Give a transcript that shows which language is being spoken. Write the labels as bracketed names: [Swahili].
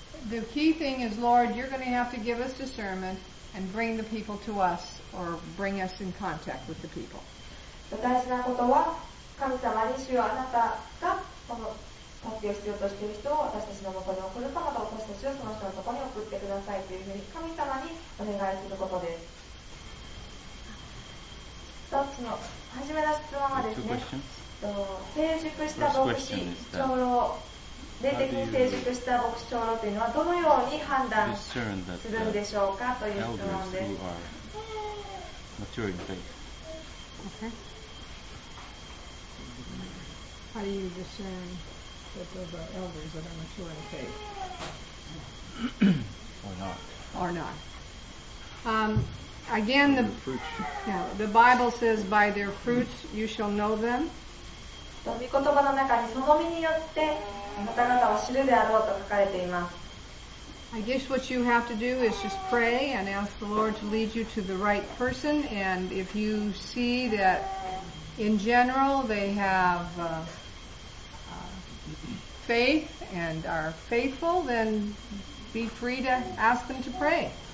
[English] The key thing is, Lord, you're going to have to give us discernment and bring the people to us or bring us in contact with the people. [Japanese] 大事なことは、神様に主よあなたがこの助けを必要としている人を私たちのもとに送るか、また私たちをその人のところに送ってくださいというふうに神様にお願いすることです。一つの初めの質問はですね、成熟した牧師、長老、霊的に成熟した牧師長老というのはどのように判断するんでしょうかという質問です。 [English] Okay. How do you discern that those are elders that are mature in faith? Or not. Again, the Bible says, by their fruits you shall know them. [Japanese] 御言葉の中にその身によってあなた方は知るであろうと書かれています。 [English] I guess what you have to do is just pray and ask the Lord to lead you to the right person. And if you see that in general they have faith and are faithful, then be free to ask them to pray.